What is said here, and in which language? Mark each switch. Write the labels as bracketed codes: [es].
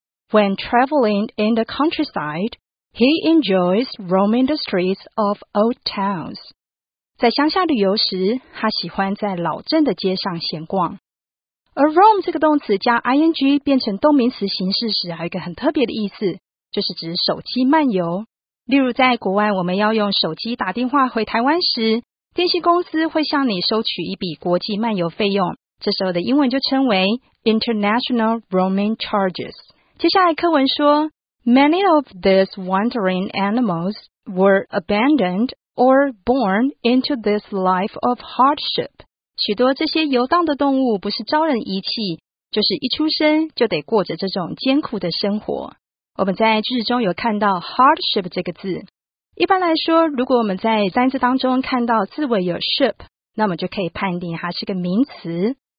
[en] When traveling in the countryside, he enjoys roaming the streets of old towns. [zh] 在乡下旅游时他喜欢在老镇的街上闲逛。而 roam 这个动词加 ing 变成动名词形式时还有一个很特别的意思。就是指手机漫游。例如在国外我们要用手机打电话回台湾时，电信公司会向你收取一笔国际漫游费用，这时候的英文就称为 [en] International Roaming Charges。 [zh] 接下来课文说 [en] Many of these wandering animals were abandoned or born into this life of hardship。 [zh] 许多这些游荡的动物不是遭人遗弃，就是一出生就得过着这种艰苦的生活。我们在句子中有看到 hardship 这个字。一般来说，如果我们在单字当中看到字尾有 ship， 那么就可以判定它是个名词。